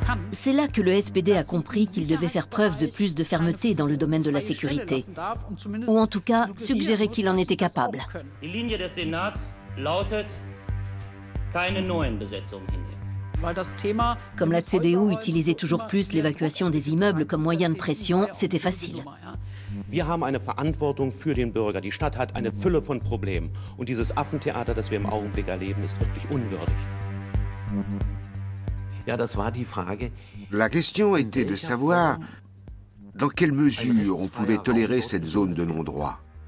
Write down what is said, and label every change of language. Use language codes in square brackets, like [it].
[fr] C'est là que le SPD a compris qu'il devait faire preuve de plus de fermeté dans le domaine de la sécurité, ou en tout cas suggérer qu'il en était capable. [de] Die Linie des Senats lautet keine neuen Besetzungen hier. [fr] Comme la CDU utilisait toujours plus l'évacuation des immeubles comme moyen de pression, c'était facile. [de] Wir haben eine Verantwortung für den Bürger. Die Stadt hat eine Fülle von Problemen und dieses Affentheater, das wir im Augenblick erleben, ist wirklich unwürdig. Ja, das war die Frage. [fr] La question était de savoir dans quelle mesure on pouvait tolérer cette zone de non-droit.